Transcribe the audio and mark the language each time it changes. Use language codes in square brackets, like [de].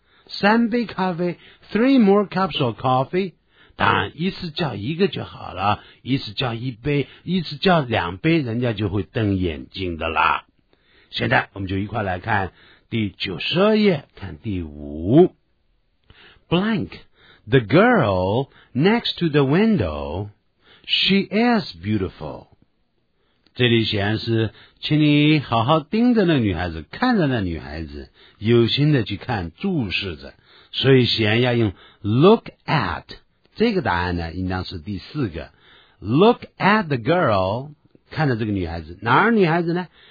[zh] 三杯咖啡， [en] three more cups of coffee? [zh] 当然一次叫一个就好了，一次叫一杯，一次叫两杯，人家就会瞪眼睛的啦。现在我们就一块来看第92页，看第五。 [en] Blank, the girl next to the window,She is beautiful. [zh] 这里显然是请你好好盯着那女孩子，看着那女孩子，有心的去看，注视着。所以显然要用 look at。这个答案呢应当是第四个。 [en] look at the girl， [zh] 看着这个女孩子。哪儿女孩子呢？